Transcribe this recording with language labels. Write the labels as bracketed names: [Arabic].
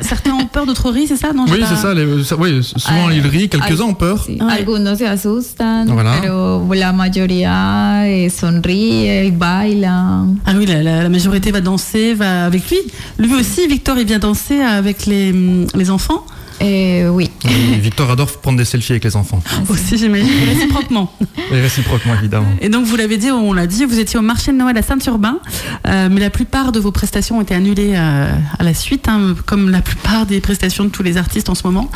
[French] Certains ont peur, d'autres rient, c'est ça? Non, oui, c'est ça. Souvent, ils rient, quelques-uns ont peur. [Spanish] Algunos se asustan, pero la mayoría sonríe y baila. [French] Ah oui, la majorité va danser, va avec lui. Lui aussi, Victor, il vient danser avec les enfants. Oui. Et Victor adore prendre des selfies avec les enfants. Aussi, j'imagine. Et réciproquement, évidemment. Et donc, vous l'avez dit, on l'a dit, vous étiez au marché de Noël à Saint-Urbain, mais la plupart de vos prestations ont été annulées à la suite, comme la plupart des prestations de tous les artistes en ce moment.